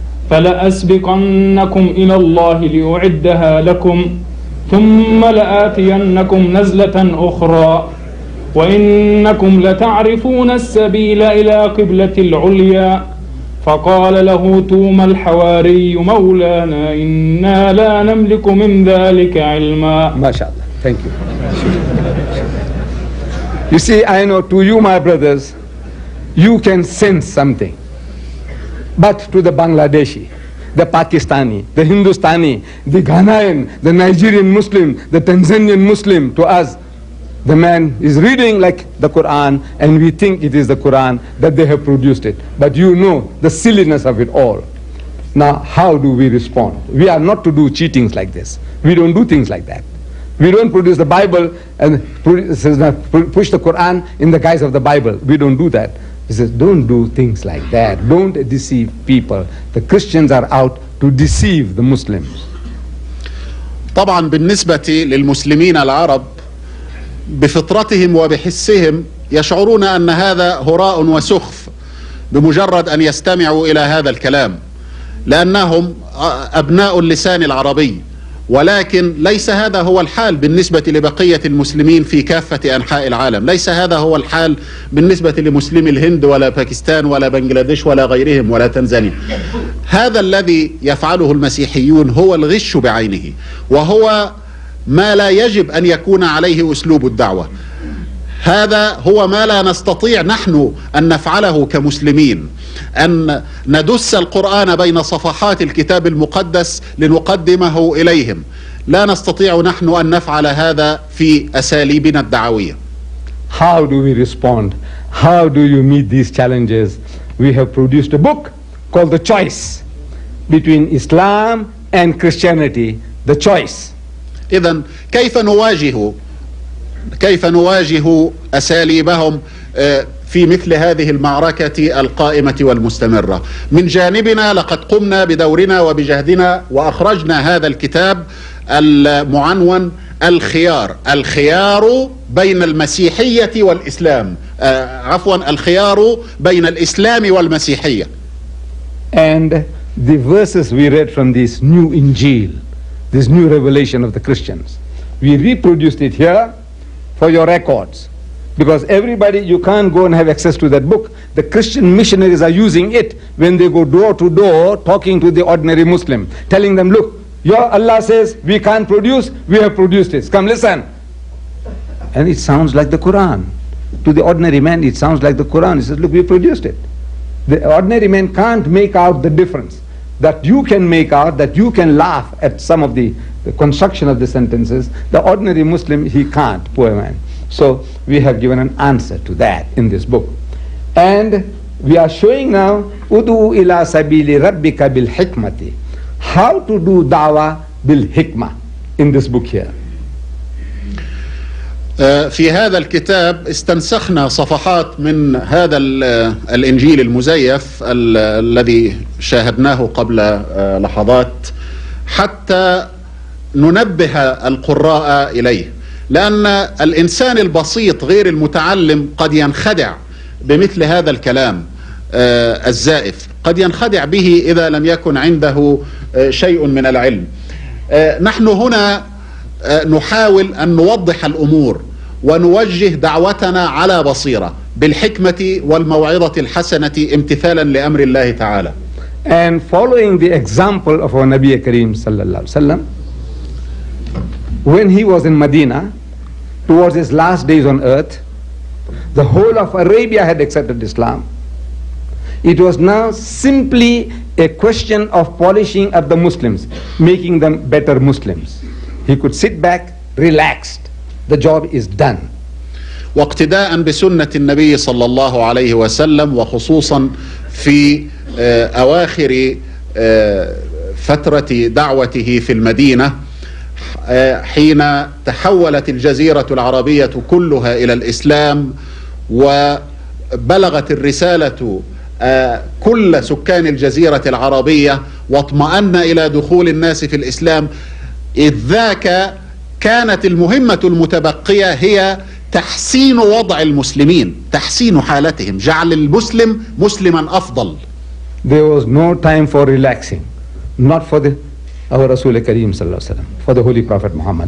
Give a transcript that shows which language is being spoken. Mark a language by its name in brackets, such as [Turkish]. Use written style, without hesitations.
[Arabic] فلأسبقنكم إلى الله لأعدها لكم ثم لآتينكم نزلة أخرى وإنكم لتعرفون السبيل إلى قبلة العليا فقال له توما الحواري مولانا إنا لا نملك من ذلك علما ما شاء الله [English] Thank you. You see, I know to you, my brothers, you can sense something. But to the Bangladeshi, the Pakistani, the Hindustani, the Ghanaian, the Nigerian Muslim, the Tanzanian Muslim, to us, the man is reading like the Quran, and we think it is the Quran that they have produced it. But you know the silliness of it all. Now, how do we respond? We are not to do cheatings like this. We don't do things like that. We don't produce the Bible and push the Quran in the guise of the Bible. We don't do that. He says, don't do things like that. Don't deceive people. The Christians are out to deceive the Muslims. [Arabic] طبعا بالنسبة للمسلمين العرب بفطرتهم وبحسهم يشعرون أن هذا هراء وسخف بمجرد أن يستمعوا إلى هذا الكلام لأنهم أبناء اللسان العربي ولكن ليس هذا هو الحال بالنسبة لبقية المسلمين في كافة أنحاء العالم ليس هذا هو الحال بالنسبة لمسلم الهند ولا باكستان ولا بنغلاديش ولا غيرهم ولا تنزانيا هذا الذي يفعله المسيحيون هو الغش بعينه وهو ما لا يجب أن يكون عليه أسلوب الدعوة هذا هو ما لا نستطيع نحن أن نفعله كمسلمين أن ندس القرآن بين صفحات الكتاب المقدس لنقدمه إليهم لا نستطيع نحن أن نفعل هذا في أساليبنا الدعوية [English] How do we respond? How do you meet these challenges? We have produced a book called The Choice between Islam and Christianity. The Choice. [Arabic] إذن كيف نواجه كيف نواجه أساليبهم في مثل هذه المعركة القائمة والمستمرة من جانبنا لقد قمنا بدورنا وبجهدنا وأخرجنا هذا الكتاب المعنون الخيار الخيار بين المسيحية والإسلام عفوا الخيار بين الإسلام والمسيحية [English] And the verses we read from this new Injil this new revelation of the Christians we reproduced it here for your records because everybody you can't go and have access to that book the Christian missionaries are using it when they go door to door talking to the ordinary Muslim telling them look your Allah says we can't produce we have produced this come listen and it sounds like the Quran to the ordinary man it sounds like the Quran he says look we produced it the ordinary man can't make out the difference that you can make out that you can laugh at some of the construction of the sentences the ordinary Muslim he can't poor man so we have given an answer to that in this book and we are showing now [Arabic] udu ila sabili rabbika bil hikmati [English] how to do dawa bil hikma in this book here [Arabic] في هذا الكتاب استنسخنا صفحات من هذا الانجيل المزيف الذي شاهدناه قبل لحظات حتى ننبه القراء إليه لأن الإنسان البسيط غير المتعلم قد ينخدع بمثل هذا الكلام الزائف قد ينخدع به إذا لم يكن عنده شيء من العلم نحن هنا نحاول أن نوضح الأمور ونوجه دعوتنا على بصيرة بالحكمة والموعظة الحسنة امتثالا لأمر الله تعالى [English] And following the example of our Nabi Kareem [Arabic] صلى الله عليه وسلم [English] When he was in Medina, towards his last days on earth, the whole of Arabia had accepted Islam. It was now simply a question of polishing up the Muslims, making them better Muslims. He could sit back, relaxed. The job is done. [Arabic] واقتداء بسنة النبي صلى الله عليه وسلم وخصوصا في أواخر فترة دعوته في المدينة حين تحولت الجزيرة العربية كلها إلى الإسلام وبلغت الرسالة كل سكان الجزيرة العربية واطمأن إلى دخول الناس في الإسلام إذاك كانت المهمة المتبقية هي تحسين وضع المسلمين تحسين حالتهم جعل المسلم مسلما أفضل [English] There was no time for relaxing not for the Our Rasul Kareem [Arabic] صلى الله عليه وسلم [English] for the Holy Prophet Muhammad.